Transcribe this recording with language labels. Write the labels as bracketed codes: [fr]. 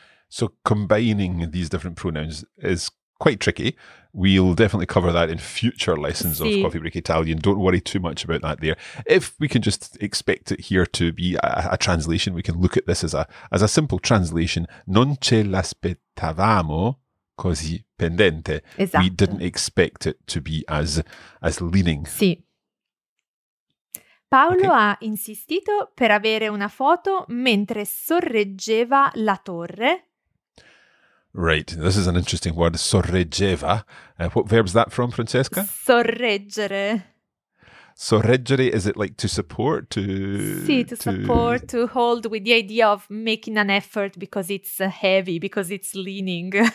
[en] So combining these different pronouns is quite tricky. We'll definitely cover that in future lessons si. Of Coffee Break Italian. Don't worry too much about that there. If we can just expect it here to be a translation, we can look at this as a simple translation. [it] Non ce l'aspettavamo così pendente. Esatto. [en] We didn't expect it to be as leaning. [it] Si. Paolo okay. ha insistito per avere una foto mentre sorreggeva la torre. [en] Right, this is an interesting word, sorreggeva. What verb is that from, Francesca? [it] Sorreggere. [en] Sorreggere, is it like to support? Sì, to support, to hold, with the idea of making an effort because it's heavy, because it's leaning.